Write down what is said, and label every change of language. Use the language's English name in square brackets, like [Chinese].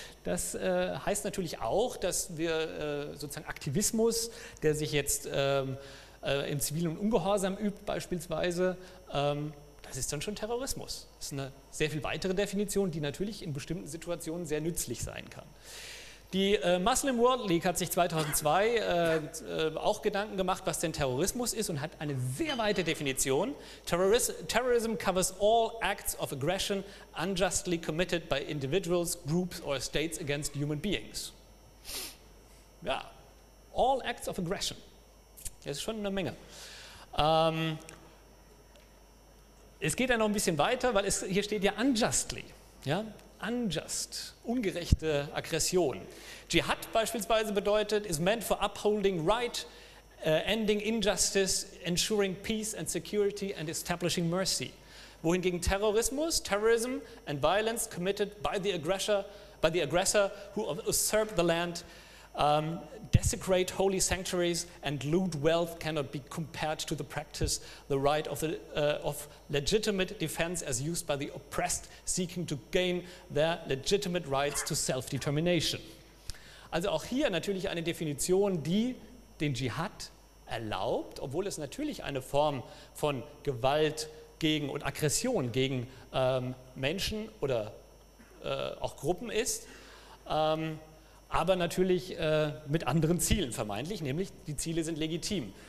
[German] Das heißt natürlich auch, dass wir sozusagen Aktivismus, der sich jetzt im zivilen Ungehorsam übt beispielsweise, das ist dann schon Terrorismus. Das ist eine sehr viel weitere Definition, die natürlich in bestimmten Situationen sehr nützlich sein kann. Die Muslim World League hat sich 2002 auch Gedanken gemacht, was denn Terrorismus ist und hat eine sehr weite Definition. [English] Terrorism covers all acts of aggression unjustly committed by individuals, groups or states against human beings. Ja, all acts of aggression. [German] Das ist schon eine Menge. Es geht ja noch ein bisschen weiter, weil hier steht ja unjustly, ja. [English] Unjust, [German] ungerechte Aggression. Dschihad beispielsweise bedeutet, [English] is meant for upholding right, ending injustice, ensuring peace and security and establishing mercy. [German] Wohingegen Terrorismus, [English] terrorism and violence committed by the aggressor who usurp the land, desecrate holy sanctuaries and loot wealth cannot be compared to the practice, the right of, of legitimate defense as used by the oppressed seeking to gain their legitimate rights to self-determination. [German] Also auch hier natürlich eine Definition, die den Dschihad erlaubt, obwohl es natürlich eine Form von Gewalt gegen und Aggression gegen Menschen oder auch Gruppen ist. Aber natürlich mit anderen Zielen vermeintlich, nämlich die Ziele sind legitim.